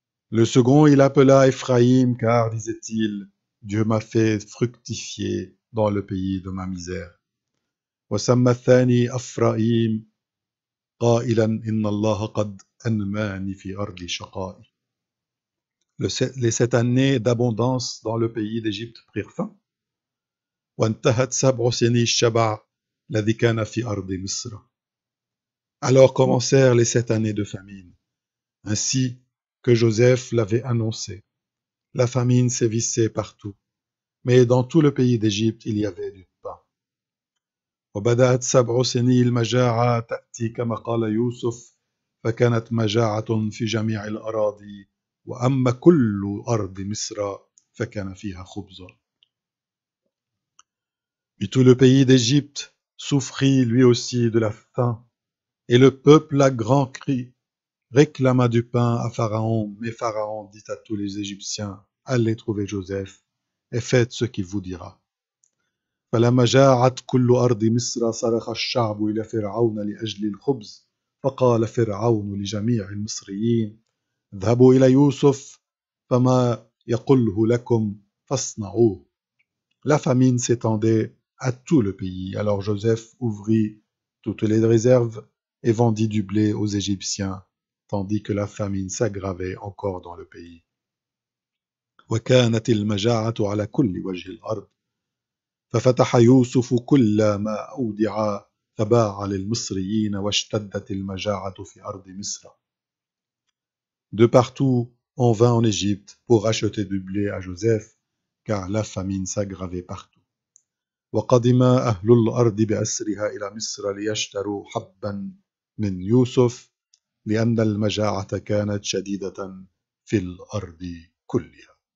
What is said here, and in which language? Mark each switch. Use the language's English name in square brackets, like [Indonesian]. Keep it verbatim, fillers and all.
[French] Le second il appela Éphraïm car disait-il Dieu m'a fait fructifier dans le pays de ma misère. [Arabic] وسمى الثاني أفرائيم قائلا إن الله قد أنماني في أرض شقائي. [French] Les sept années d'abondance dans le pays d'Égypte prirent fin. [Arabic] وانتهت سبع سني الشبع الذي كان في أرض مصر. [French] Alors commencèrent les sept années de famine, ainsi que Joseph l'avait annoncé. La famine sévissait partout, mais dans tout le pays d'Égypte il y avait du pain. [Arabic] وبدأت سبع سنين المجاعة تأتي كما قال يوسف فكانت مجاعة في جميع الأراضي وأما كل أرض مصر فكان فيها خبز. [French] Et tout le pays d'Égypte souffrit lui aussi de la faim, et le peuple à grands cris réclama du pain à Pharaon, mais Pharaon dit à tous les Égyptiens, allez trouver Joseph et faites ce qu'il vous dira. [Arabic] فلما جاعت كل أرض مصر صرخ الشعب إلى فرعون لأجل الخبز فقال فرعون لجميع المصريين اذهبوا إلى يوسف فما يقله لكم فاصنعوه. [French] La famine s'étendait à tout le pays, alors Joseph ouvrit toutes les réserves et vendit du blé aux Égyptiens, tandis que la famine s'aggravait encore dans le pays. [Arabic] وكانت المجاعة على كل وجه الأرض ففتح يوسف كل ما أودع فباع للمصريين واشتدت المجاعة في أرض مصر. [French] De partout, on vint en Égypte pour acheter du blé à Joseph, car la famine s'aggravait partout. [Arabic] وقدم أهل الأرض بأسرها إلى مصر ليشتروا حبا من يوسف لأن المجاعة كانت شديدة في الأرض كلها.